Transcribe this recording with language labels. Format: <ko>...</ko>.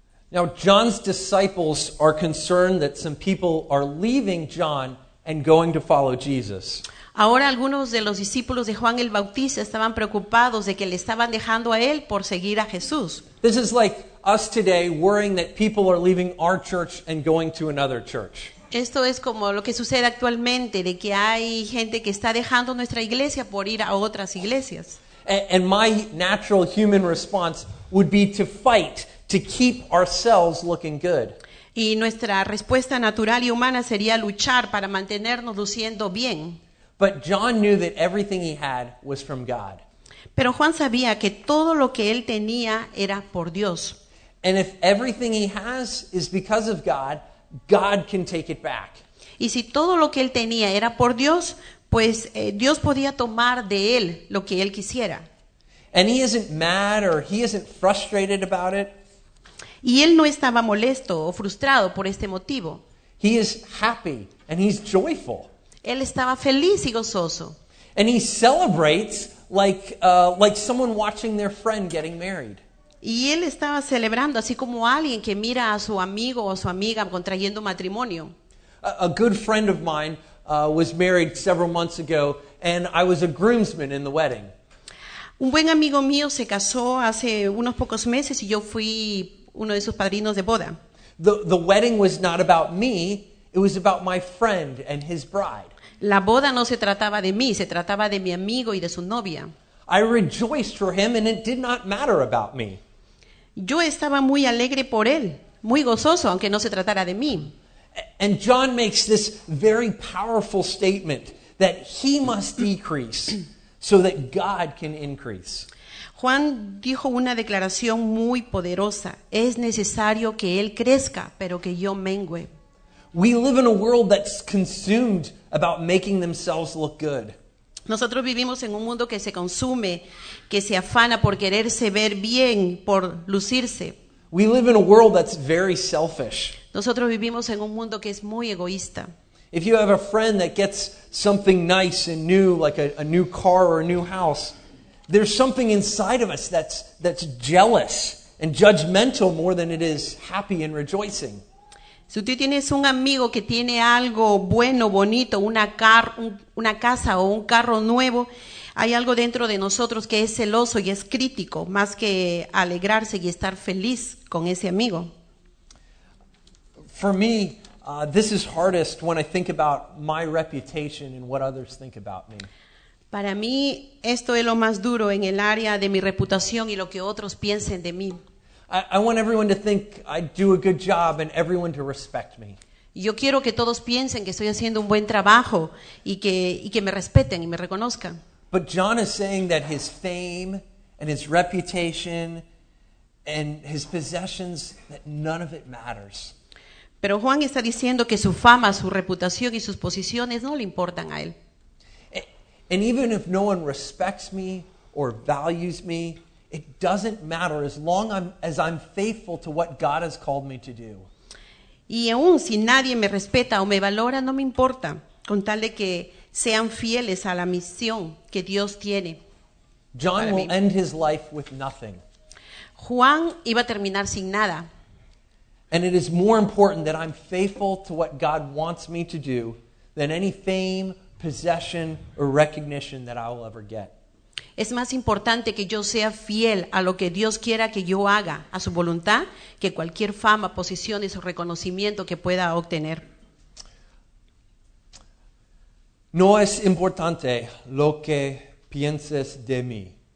<en>Now, John's disciples are concerned that some people are leaving John and going to follow Jesus.</en> <es>Ahora algunos de los discípulos de Juan el Bautista estaban preocupados de que le estaban dejando a él por seguir a Jesús.</es> <en>This is like us today worrying that people are leaving our church and going to another church.</en> <es>Esto es como lo que sucede actualmente, de que hay gente que está dejando nuestra iglesia por ir a otras iglesias.</es> <en>And my natural human response would be to fight to keep ourselves looking good.</en> <es>Y nuestra respuesta natural y humana sería luchar para mantenernos luciendo bien.</es> <en>But John knew that everything he had was from God.</en> <es>Pero Juan sabía que todo lo que él tenía era por Dios.</es> <en>And if everything he has is because of God, God can take it back.</en> <es>Y si todo lo que él tenía era por Dios, pues Dios podía tomar de él lo que él quisiera.</es> <en>And he isn't mad or he isn't frustrated about it.</en> <es>Y él no estaba molesto o frustrado por este motivo.</es> <en>He is happy and he's joyful.</en> <es>Él estaba feliz y gozoso.</es> <en>And he celebrates like someone watching their friend getting married.</en> <es>Y él estaba celebrando así como alguien que mira a su amigo o su amiga contrayendo matrimonio.</es> <en>A good friend of mine was married several months ago, and I was a groomsman in the wedding.</en> <es>Un buen amigo mío se casó hace unos pocos meses y yo fui uno de sus padrinos de boda.</es> <en>The wedding was not about me, it was about my friend and his bride.</en> <es>La boda no se trataba de mí, se trataba de mi amigo y de su novia.</es> <en>I rejoiced for him and it did not matter about me.</en> <es>Yo estaba muy alegre por él, muy gozoso, aunque no se tratara de mí.</es> <en>And John makes this very powerful statement that he must decrease so that God can increase.</en> <es>Juan dijo una declaración muy poderosa. Es necesario que él crezca, pero que yo mengüe.</es> <en>We live in a world that's consumed about making themselves look good.</en> <es>Nosotros vivimos en un mundo que se consume, que se afana por quererse ver bien, por lucirse.</es> <en>We live in a world that's very selfish.</en> <es>Nosotros vivimos en un mundo que es muy egoísta.</es> <en>If you have a friend that gets something nice and new, like a new car or a new house, there's something inside of us that's jealous and judgmental more than it is happy and rejoicing.</en> <es>Si tú tienes un amigo que tiene algo bueno, bonito, una casa o un carro nuevo, hay algo dentro de nosotros que es celoso y es crítico, más que alegrarse y estar feliz con ese amigo.</es> <en>For me, this is hardest when I think about my reputation and what others think about me.</en> <es>Para mí, esto es lo más duro en el área de mi reputación y lo que otros piensen de mí.</es> <en>I want everyone to think I do a good job and everyone to respect me.</en> <es>Yo quiero que todos piensen que estoy haciendo un buen trabajo y que me respeten y me reconozcan.</es> <en>But John is saying that his fame and his reputation and his possessions, that none of it matters.</en> <es>Pero Juan está diciendo que su fama, su reputación y sus posiciones no le importan a él.</es> <en>And even if no one respects me or values me, it doesn't matter as long as I'm faithful to what God has called me to do.</en> <es>Y aún si nadie me respeta o me valora, no me importa, con tal de que sean fieles a la misión que Dios tiene.</es> <en>John will end his life with nothing.</en> <es>Juan iba a terminar sin nada.</es> <en>And it is more important that I'm faithful to what God wants me to do than any fame, possession, or recognition that I will ever get.</en> <es>Es más importante que yo sea fiel a lo que Dios quiera que yo haga, a su voluntad, que cualquier fama, posiciones o reconocimiento que pueda obtener. No es importante lo que pienses de mí.</es>